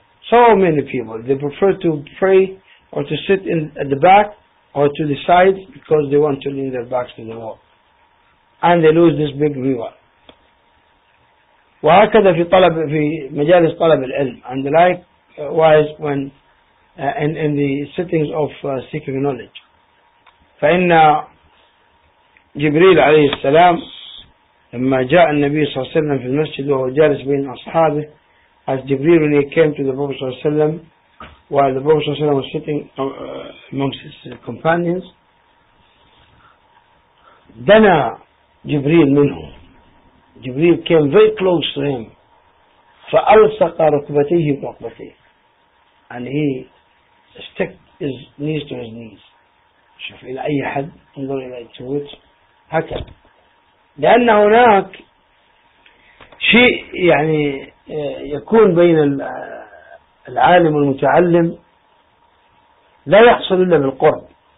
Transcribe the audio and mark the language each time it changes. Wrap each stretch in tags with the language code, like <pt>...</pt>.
<en>So many people they prefer to pray or to sit in at the back or to the side because they want to lean their backs to the wall and they lose this big reward.</en> <ar>وهكذا في طلب في مجالس طلب العلم</ar> <en>and likewise when in the settings of seeking knowledge.</en> <ar>فإن جبريل عليه السلام لما جاء النبي صلى الله عليه وسلم في المسجد وهو جالس بين أصحابه,</ar> <en>as جبريل when he came to the Prophet صلى الله عليه وسلم while the Prophet صلى الله عليه وسلم was sitting amongst his companions,</en> <ar>دنا جبريل منه.</ar> <en>جبريل came very close to him.</en> <ar>فألصق ركبتيه بركبتيه.</ar> <en>And he stuck his knees to his knees.</en> <ar>شوف إلى أي حد انظر إلى التويت هكذا. لأن هناك شيء يعني يكون بين العالم والمتعلم لا يحصل إلا بالقرب.</ar>